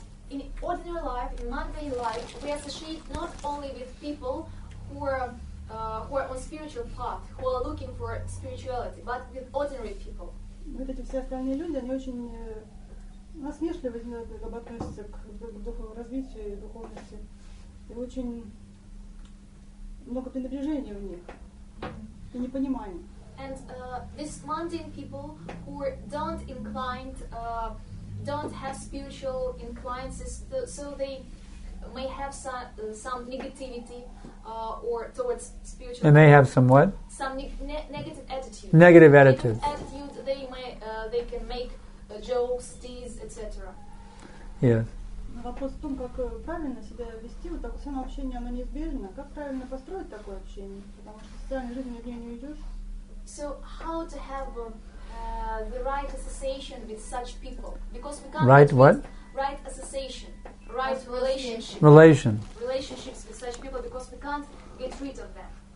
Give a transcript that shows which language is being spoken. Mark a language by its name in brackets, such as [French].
[English] In ordinary life, in mundane life, we associate not only with people who are on spiritual path, who are looking for spirituality, but with ordinary people. [Russian] Вот эти все остальные люди, они очень насмешливо относятся к духовному развитию и духовности. И очень много пренебрежения в них. И непонимания. [English] And these mundane people who don't inclined, don't have spiritual inclinations, so they may have some negativity or towards spiritual. And they have some what? Some negative attitude. Negative attitude. Negative attitude they may they can make jokes, tease, etc. Yes. [Russian] Вопрос в том, как правильно себя вести. Вот такое само общение, оно неизбежно. Как правильно построить такое общение? Потому что в социальной жизни в нее не уйдешь. [English] So how to have the right association with such people? Because we can't right what? Right association. Right relationship. Relation. Relationships with such people because we can't get rid of them.